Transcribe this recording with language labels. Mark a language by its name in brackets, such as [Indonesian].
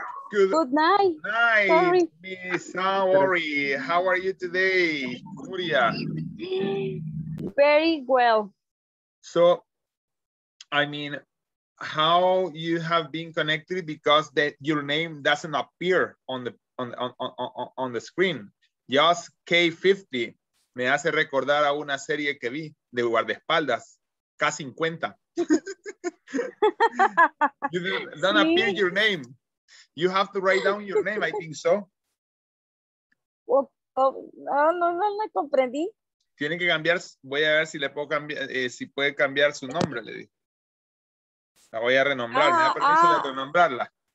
[English] Good night. Sorry. Miss Amori, how are you today? Nuria. Very well. So, I mean, how you have been connected because that your name doesn't appear on the screen. Just K50. [Spanish] Me hace recordar a una serie que vi de guardaespaldas. K50. [English] You don't appear your name. You have to write down your name, I think so. [Spanish] No comprendí. Tiene que cambiar, voy a ver si le puedo cambiar, si puede cambiar su nombre, le di. La voy a renombrar, me da permiso de renombrarla.